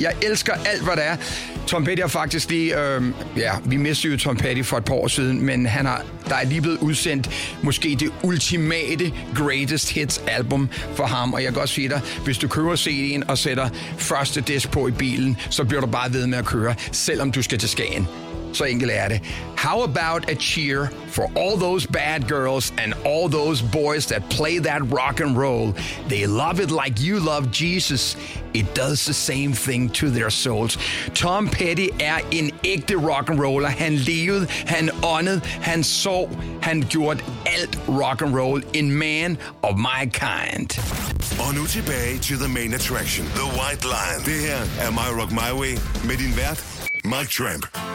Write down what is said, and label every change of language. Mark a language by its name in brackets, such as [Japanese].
[Danish] Jeg elsker alt, hvad der er. Tom Petty har faktisk lige... vi mistede jo Tom Petty for et par år siden, men han har, der er lige blevet udsendt måske det ultimate greatest hits album for ham. Og jeg kan også sige dig, hvis du kører CD'en og sætter første disc på i bilen, så bliver du bare ved med at køre, selvom du skal til Skagen. Så enkelt er det. [English] How about a cheer for all those bad girls and all those boys that play that rock and roll? They love it like you love Jesus. It does the same thing to their souls. [Danish] Tom Petty er en ægte rock and roller. Han levede, han åndede, han så, han gjorde alt rock and roll. [English] En man of my kind. [Danish] Og nu tilbage til [English] the main attraction, [Danish] the White Lion. Det her er My Rock My Way med din vært, Mike Tramp.